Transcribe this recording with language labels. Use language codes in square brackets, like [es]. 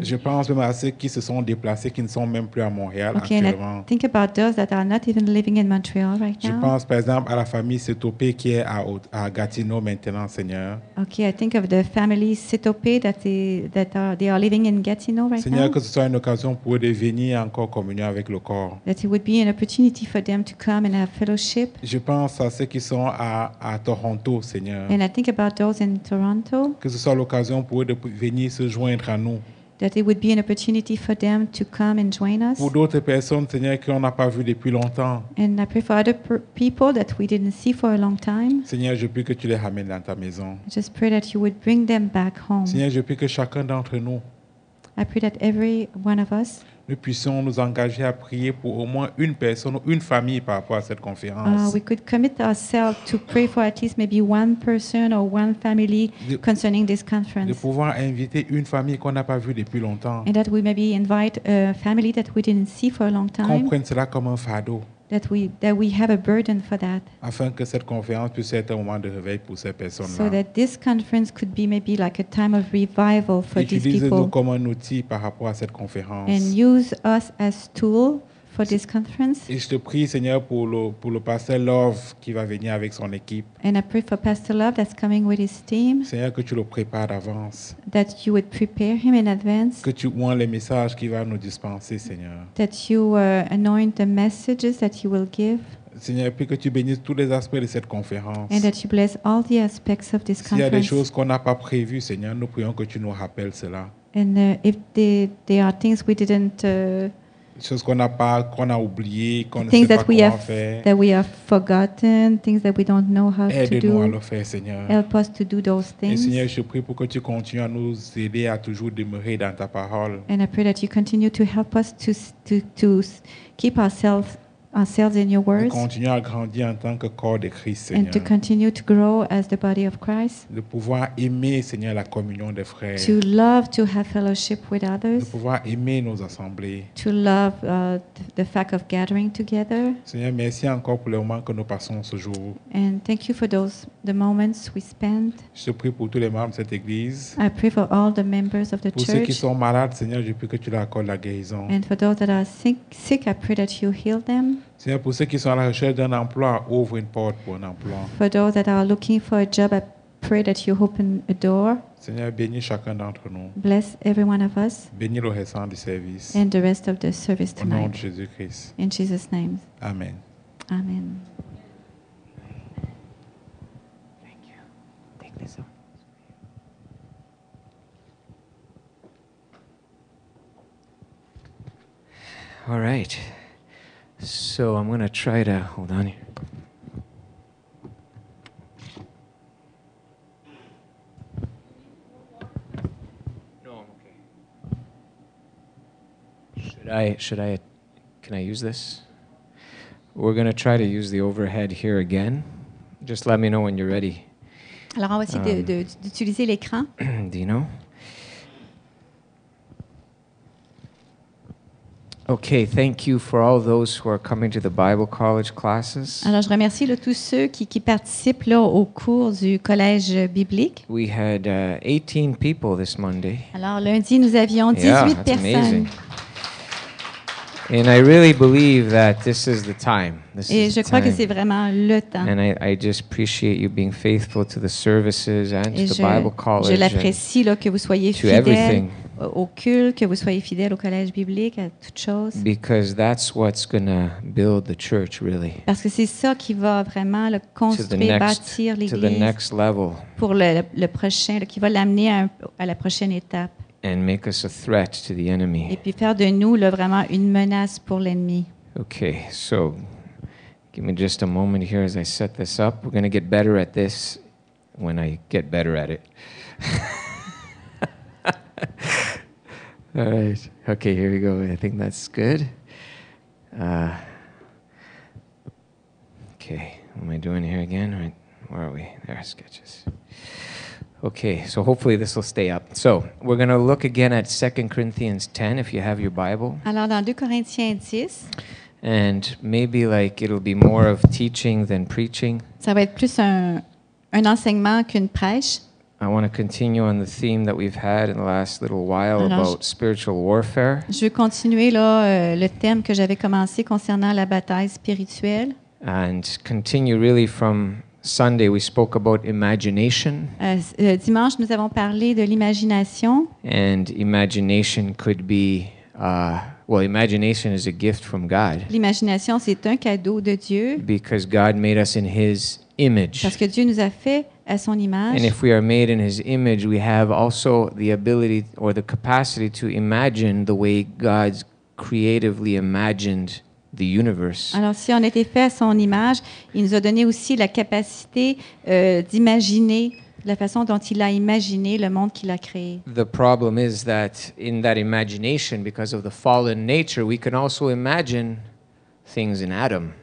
[fr] Je pense même à ceux qui se sont déplacés, qui ne sont même plus à Montréal actuellement. [en] Okay, think about those that are not even living in Montreal right now. [fr] Je pense par exemple à la famille Setopé qui est à Gatineau maintenant, Seigneur. [en] Okay, I think of the family Setopé that are living in Gatineau right [fr] Seigneur, [en] now. [fr] Seigneur, que ce soit une occasion pour eux de venir encore communier avec le corps. [en] That it would be an opportunity for them to come and have fellowship. [fr] Je pense à ceux qui sont à Toronto, Seigneur. [en] And I think about those in Toronto. [fr] Que ce soit l'occasion pour eux de venir se joindre à nous. [en] That it would be an opportunity for them to come and join us. [fr] Pour d'autres personnes, Seigneur, qu'on n'a pas vu depuis longtemps. [en] And I pray for other people that we didn't see for a long time. [fr] Seigneur, je prie que tu les ramènes dans ta maison. [en] I just pray that you would bring them back home. [fr] Seigneur, je prie que chacun d'entre nous. [en] I pray that every one of us. [fr] Nous puissions nous engager à prier pour au moins une personne ou une famille par rapport à cette conférence. [en] We could commit ourselves to pray for at least maybe one person or one family concerning this conference. [fr] De pouvoir inviter une famille qu'on n'a pas vue depuis longtemps. [en] And that we maybe invite a family that we didn't see for a long time. [fr] Qu'on prenne cela comme un fardeau. [en] That we have a burden for that. [fr] Afin que cette conférence puisse être un moment de réveil pour ces personnes-là. [en] So that this conference could be maybe like a time of revival for these people. [fr] Utilise-nous comme un outil par rapport à cette conférence. [en] And use us as tool for this conference. [fr] Et je te prie, Seigneur, pour le pasteur Love qui va venir avec son équipe. [en] And I pray for Pastor Love that's coming with his team. [fr] Seigneur, que tu le prépares d'avance. [en] That you would prepare him in advance. [fr] Que tu oignes les messages qu'il va nous dispenser, Seigneur. [en] That you anoint the messages that he will give. [fr] Seigneur, puis que tu bénisses tous les aspects de cette conférence. [en] And that you bless all the aspects of this conference. [fr] S'il y a des choses qu'on n'a pas prévues, Seigneur, nous prions que tu nous rappelles cela. [en] And if there are things we didn't [fr] choses qu'on n'a pas, qu'on a oubliées, qu'on [en] things [fr] ne sait pas comment faire. [en] Things that we have forgotten, things that we don't know how [fr] aide [en] to do. [fr] Aide-nous à le faire, Seigneur. [en] Help us to do those things. [fr] Et Seigneur, je prie pour que tu continues à nous aider à toujours demeurer dans ta parole. [en] And I pray that you continue to help us to keep ourselves in your words. [fr] Et continuer à grandir en tant que corps de Christ, Seigneur. [en] And to continue to grow as the body of Christ. [fr] De pouvoir aimer, Seigneur, la communion des frères. [en] To love to have fellowship with others. [fr] De pouvoir aimer nos assemblées. [en] To love the fact of gathering together. [fr] Seigneur, merci encore pour les moments que nous passons ce jour. [en] And thank you for the moments we spend. [fr] Je te prie pour tous les membres de cette église. [en] I pray for all the members of the [fr] pour Pour ceux qui sont malades, Seigneur, je prie que tu leur accordes la guérison. [en] And for those that are sick, I pray that you heal them. [fr] Seigneur, pour ceux qui sont à la recherche d'un emploi, ouvre une porte pour un emploi. [en] For those that are looking for a job, I pray that you open a door. [fr] Seigneur, bénis chacun d'entre nous. [en] Bless every one of us. [fr] Bénis le restant du service. [en] And the rest of the service tonight. [fr] Au nom de Jésus-Christ. [en] In Jesus' name. Amen. Amen. Thank you. Take this on. All right. So I'm going to try to, hold on here. No, I'm okay. Should I, can I use this? We're going to try to use the overhead here again. Just let me know when you're ready. [fr] Alors on va essayer d'utiliser l'écran. Dino. [en] Okay, thank you for all those who are coming to the Bible College classes. [fr] Alors je remercie là, tous ceux qui participent là au cours du collège biblique. [en] We had 18 people this Monday. [fr] Alors lundi nous avions 18 [en] yeah, that's [fr] personnes. [en] Amazing. And I really believe that this is the time. This [fr] et [en] is [fr] je [en] the [fr] crois [en] time. [fr] Que c'est vraiment le temps. [en] And I just appreciate you being faithful to the services and [fr] et [en] to the Bible College. [fr] Je l'apprécie là, que vous soyez [en] to everything. [fr] Au culte, que vous soyez fidèle au collège biblique, à toute chose. [en] Because that's what's gonna build the church, really. [fr] Parce que c'est ça qui va vraiment le construire, bâtir l'Église pour le prochain, qui va l'amener à la prochaine étape. [en] And make us a threat to the enemy. [fr] Et puis faire de nous là, vraiment une menace pour l'ennemi. [en] Okay, so give me just a moment here as I set this up. We're gonna get better at this when I get better at it. All right. Okay, here we go. I think that's good. Okay. What am I doing here again? Right. Where are we? There are sketches. Okay. So hopefully this will stay up. So we're going to look again at 2 Corinthians 10, if you have your Bible. [fr] Alors dans 2 Corinthiens 10. [en] And maybe like it'll be more of teaching than preaching. [fr] Ça va être plus un enseignement qu'une prêche. [en] I want to continue on the theme that we've had in the last little while. [fr] Alors, [en] about spiritual warfare. [fr] Je vais continuer là le thème que j'avais commencé concernant la bataille spirituelle. [en] And continue really from Sunday we spoke about imagination. [fr] Dimanche nous avons parlé de l'imagination. [en] And imagination could be imagination is a gift from God. [fr] L'imagination c'est un cadeau de Dieu. [en] Because God made us in his image. [fr] Parce que Dieu nous a fait à son image. [en] And if we are made in his image, we have also the ability or the capacity to imagine the way God creatively imagined the universe. [fr] Alors si on était fait à son image, il nous a donné aussi la capacité d'imaginer la façon dont il a imaginé le monde qu'il a créé. [en] The problem is that in that imagination, because of the fallen nature, we can also imagine things in Adam.